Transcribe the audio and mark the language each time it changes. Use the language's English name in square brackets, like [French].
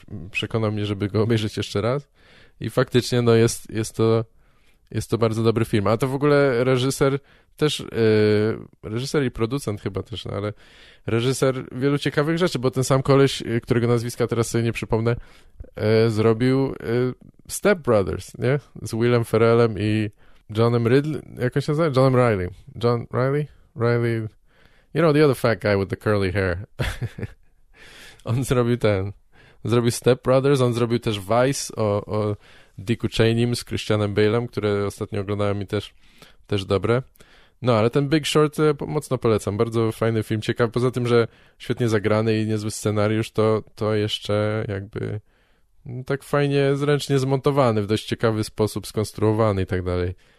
[Polish] przekonał mnie, żeby go obejrzeć jeszcze raz i faktycznie no jest to bardzo dobry film, a to w ogóle reżyser też reżyser i producent chyba też, no, ale reżyser wielu ciekawych rzeczy, bo ten sam koleś, którego nazwiska teraz sobie nie przypomnę, zrobił Step Brothers, nie? Z Willem Ferrellem i Johnem Ridley, jak on się nazywa? Johnem Reilly. John Reilly? Reilly? [English] You know, the other fat guy with the curly hair. [Polish] On zrobił ten zrobił Step Brothers, on zrobił też Vice o Dicku Cheney'im z Christianem Bale'em, które ostatnio oglądałem i też dobre. No, ale ten Big Short mocno polecam. Bardzo fajny film, ciekawy. Poza tym, że świetnie zagrany i niezły scenariusz, to jeszcze jakby tak fajnie, zręcznie zmontowany, w dość ciekawy sposób skonstruowany i tak dalej.